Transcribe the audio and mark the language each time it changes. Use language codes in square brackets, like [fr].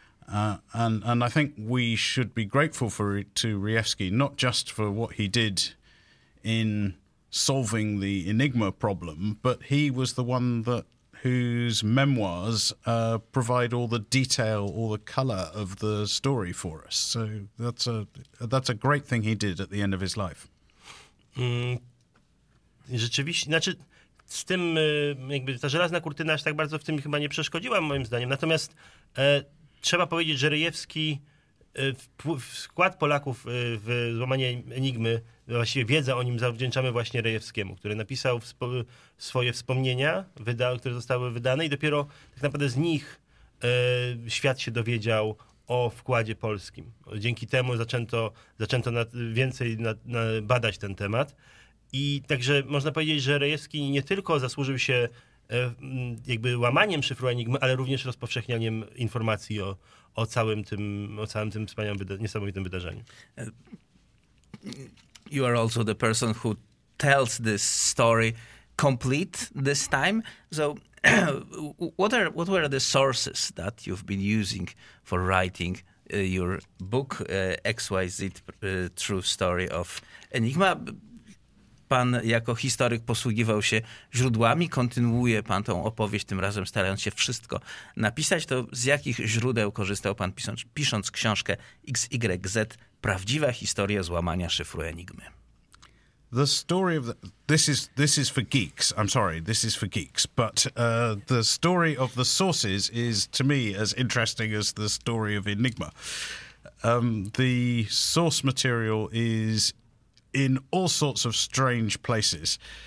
[en] And I think we should be grateful to Rejewski, not just for what he did in solving the Enigma problem, but he was the one whose memoirs provide all the detail, all the color of the story for us. So that's a great thing he did at the end of his life. [pl] Rzeczywiście, znaczy z tym jakby ta żelazna kurtyna aż tak bardzo w tym chyba nie przeszkodziła moim zdaniem. Natomiast trzeba powiedzieć, że Rejewski wkład Polaków w złamanie Enigmy, właściwie wiedza o nim zawdzięczamy właśnie Rejewskiemu, który napisał swoje wspomnienia, które zostały wydane, i dopiero tak naprawdę z nich świat się dowiedział o wkładzie polskim. Dzięki temu zaczęto więcej badać ten temat. I także można powiedzieć, że Rejewski nie tylko zasłużył się jakby łamaniem szyfru Enigmy, ale również rozpowszechnianiem informacji o całym tym wspaniałym, niesamowitym wydarzeniu. [en] You are also the person who tells this story complete this time. So What were the sources that you've been using for writing your book, XYZ, True Story of Enigma? [pl] Pan jako historyk posługiwał się źródłami, kontynuuje pan tą opowieść, tym razem starając się wszystko napisać. To z jakich źródeł korzystał pan pisząc książkę XYZ, Prawdziwa historia złamania szyfru Enigmy? [en] The story of this is for geeks. I'm sorry, this is for geeks. But the story of the sources is to me as interesting as the story of Enigma. The source material is in all sorts of strange places.